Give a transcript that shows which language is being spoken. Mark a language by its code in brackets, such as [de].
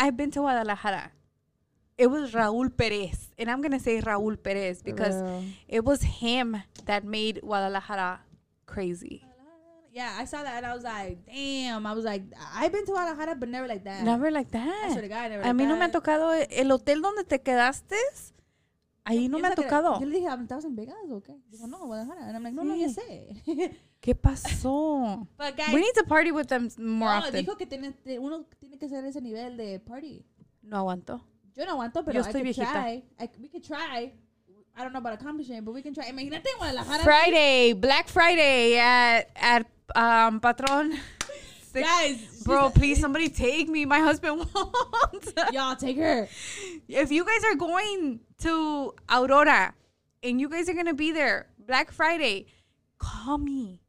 [en] I've been to Guadalajara. It was Raul Perez. And I'm going to say Raul Perez because it was him that made Guadalajara crazy. Yeah, I saw that and I was like, damn. I was like, I've been to Guadalajara, but never like that. Never like that. I swear to God, never like that. [es] A mí no me ha tocado el hotel donde te quedaste. Ahí no me ha tocado. Yo le dije, ¿estabas en Vegas o qué? Dijo, no, Guadalajara. [en] And I'm like, [es] no, ya sé. ¿Qué pasó? [en] But guys, we need to party with them more often. [es] Dijo que uno tiene que ser ese nivel de party. No aguanto. Yo no aguanto, pero [en] we could try. I don't know about accomplishing, but we can try. [es] Imagínate en Guadalajara. [en] Friday, Black Friday at Patron. Guys. Bro, please, somebody take me. My husband won't. Y'all, take her. If you guys are going to Aurora and you guys are going to be there Black Friday, call me.